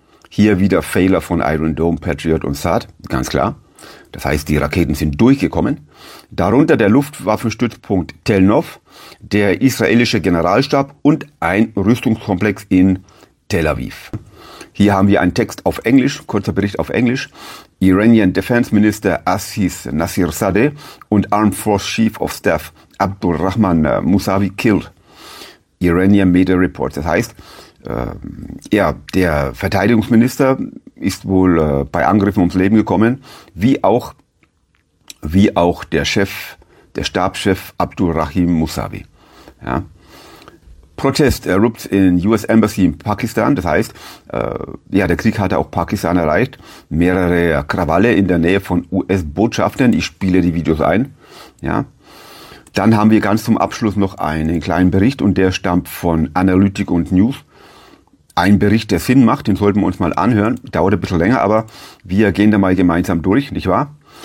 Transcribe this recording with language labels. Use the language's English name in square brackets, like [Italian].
[German] Hier wieder Fehler von Iron Dome, Patriot und Saad, ganz klar. Das heißt, die Raketen sind durchgekommen. Darunter der Luftwaffenstützpunkt Tel Nof, der israelische Generalstab und ein Rüstungskomplex in Tel Aviv. Hier haben wir einen Text auf Englisch, kurzer Bericht auf Englisch. [English] Iranian Defense Minister Aziz Nasirzadeh und Armed Force Chief of Staff Abdulrahman Mousavi killed. Iranian Media Reports. [German] Das heißt, der Verteidigungsminister ist wohl bei Angriffen ums Leben gekommen, wie auch der Chef, der Stabschef Abdulrahim Mousavi. Ja. [English] Protest erupt in US Embassy in Pakistan. [German] Das heißt, der Krieg hatte auch Pakistan erreicht. Mehrere Krawalle in der Nähe von US-Botschaften. Ich spiele die Videos ein. Ja. Dann haben wir ganz zum Abschluss noch einen kleinen Bericht und der stammt von Analytik und News. Ein Bericht, der Sinn macht, den sollten wir uns mal anhören. Dauert ein bisschen länger, aber wir gehen da mal gemeinsam durch, nicht wahr?